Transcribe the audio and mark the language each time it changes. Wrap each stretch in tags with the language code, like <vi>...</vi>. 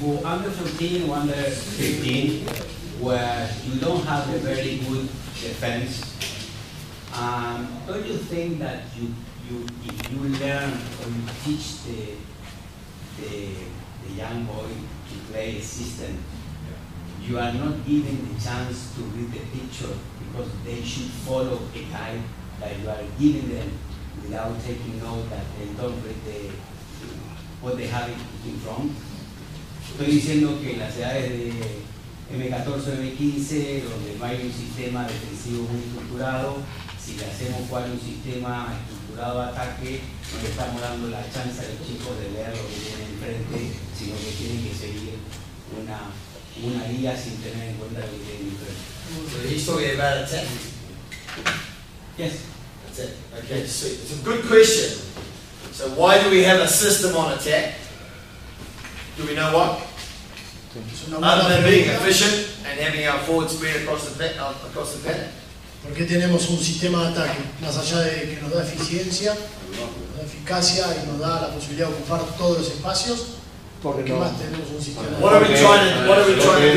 <en>For under 15 o under 15, where you don't have a very good defense, don't you think that if you learn or you teach the young boy to play a system, you are not given the chance to read the picture because they should follow a guy that you are giving them without taking note that they don't read the what they have in front.</en> <es>Estoy diciendo que en las edades de M14, M15, donde no hay un sistema defensivo muy estructurado, si le hacemos jugar un sistema dado ataque, no le estamos dando la chance a los chicos de leer lo que tienen enfrente, sino que tienen que seguir una guía sin tener en cuenta lo que tienen enfrente.</es> <en>So he's talking about attack. Yes. That's it. Okay, sweet. It's a good question. So why do we have a system on attack? Do we know what? Other than being efficient and having our forwards spread across the pattern.</en> <es>¿Por qué tenemos un sistema de ataque? Más allá de que nos da eficiencia, nos da eficacia y nos da la posibilidad de ocupar todos los espacios, ¿por qué más tenemos un sistema de ataque?</es>